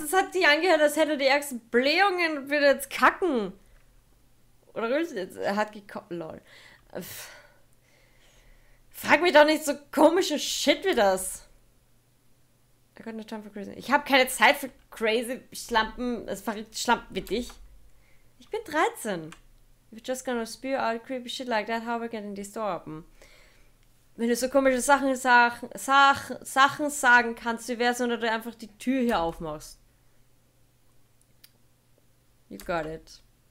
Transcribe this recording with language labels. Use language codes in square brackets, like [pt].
[de] Es hat sich angehört, als hätte er die ärgsten Blähungen und würde jetzt kacken. Oder willst du jetzt? Er hat gekotzt. Lol. Frag mich doch nicht so komische Shit wie das. Ich habe keine Zeit für crazy Schlampen, das verrückte Schlampen wie dich. Ich bin 13. [en] If you're just gonna spew out creepy shit like that, how are we getting this door open? [de] Wenn du so komische Sachen sagen kannst, wie wär's, wenn du einfach die Tür hier aufmachst? [en] You got it.